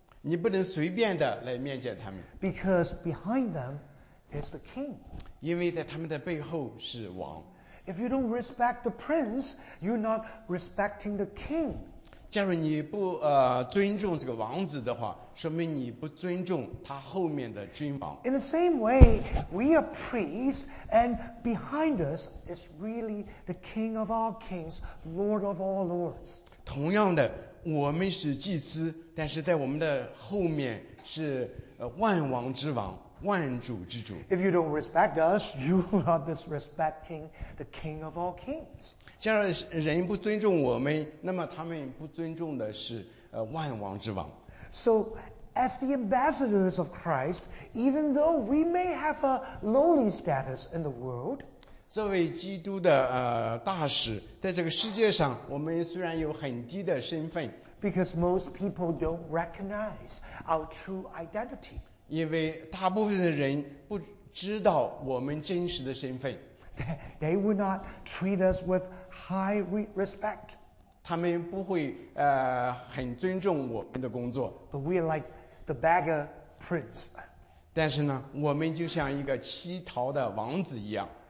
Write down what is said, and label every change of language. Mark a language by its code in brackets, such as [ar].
[zh] 你不能随便的来面见他们。 [en] Because behind them is the king. [zh] 因为在他们的背后是王。 [en] If you don't respect the prince, you're not respecting the king. [zh] 假如你不尊重这个王子的话，说明你不尊重他后面的君王。 [en] In the same way, we are priests, and behind us is really the King of all kings, Lord of all lords. [zh] 同样的，我们是祭司，但是在我们的后面是万王之王，万主之主。 [en] If you don't respect us, you are disrespecting the King of all kings. [zh] 假如人不尊重我们，那么他们不尊重的是万王之王。 [en] So, as the ambassadors of Christ, even though we may have a lowly status in the world, [zh] 作为基督的大使，在这个世界上，我们虽然有很低的身份， [en] because most people don't recognize our true identity. [zh] 因为大部分的人不知道我们真实的身份。 [en] They would not treat us with high respect. [zh] 他们不会很尊重我们的工作。 [en] But we are like the beggar prince. [zh] 但是呢，我们就像一个乞讨的王子一样。